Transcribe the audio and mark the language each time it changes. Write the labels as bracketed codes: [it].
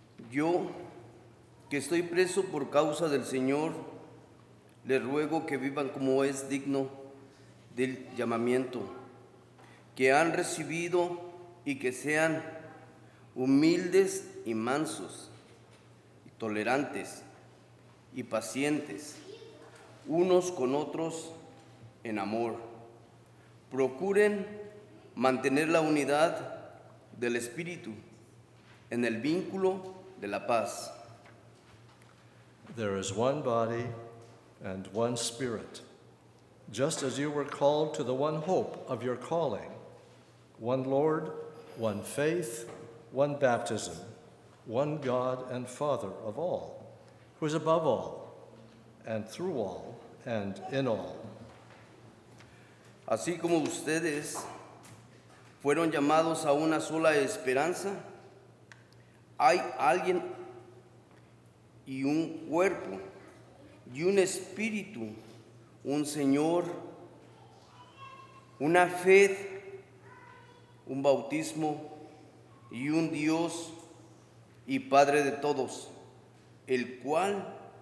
[es] Yo, que estoy preso por causa del Señor, les ruego que vivan como es digno del llamamiento que han recibido y que sean humildes y mansos, y tolerantes y pacientes, unos con otros en amor. Procuren mantener la unidad del Espíritu en el vínculo de la paz. [en] There is one body and one Spirit, just as you were called to the one hope of your calling, one Lord, one faith, one baptism, one God and Father of all, who is above all and through all and in all. [es] Así como ustedes fueron llamados a una sola esperanza, hay alguien y un cuerpo y un espíritu, un Señor, una fe, un bautismo y un Dios y Padre de todos, el cual